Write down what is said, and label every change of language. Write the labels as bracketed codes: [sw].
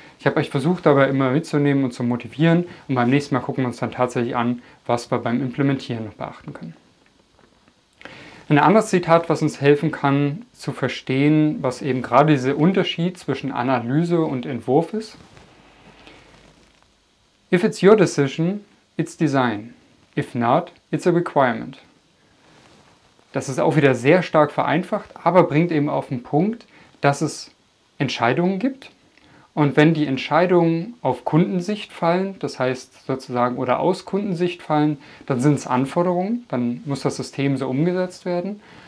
[de] Ich habe euch versucht, dabei immer mitzunehmen und zu motivieren. Und beim nächsten Mal gucken wir uns dann tatsächlich an, was wir beim Implementieren noch beachten können. Ein anderes Zitat, was uns helfen kann, zu verstehen, was eben gerade dieser Unterschied zwischen Analyse und Entwurf ist. [en] If it's your decision, it's design. If not, it's a requirement. [de] Das ist auch wieder sehr stark vereinfacht, aber bringt eben auf den Punkt, dass es Entscheidungen gibt. Und wenn die Entscheidungen auf Kundensicht fallen, das heißt sozusagen oder aus Kundensicht fallen, dann sind es Anforderungen, dann muss das System so umgesetzt werden.